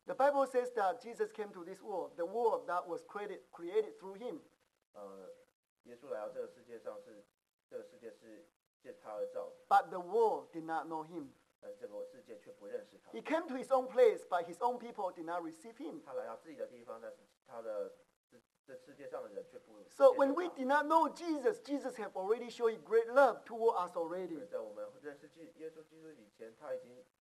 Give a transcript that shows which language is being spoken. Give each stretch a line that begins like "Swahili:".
English: The Bible says that Jesus came to this world, the world that was created through him.
Chinese: 耶稣来到这个世界上是，这个世界是借他而造的。
English: But the world did not know him.
Chinese: 但这个世界却不认识他。
English: He came to his own place, but his own people did not receive him.
Chinese: 他来到自己的地方，但是这世界上的人却不认识他。
English: So when we did not know Jesus, Jesus have already showed great love toward us already.
Chinese: 在我们认识耶稣基督以前，他已经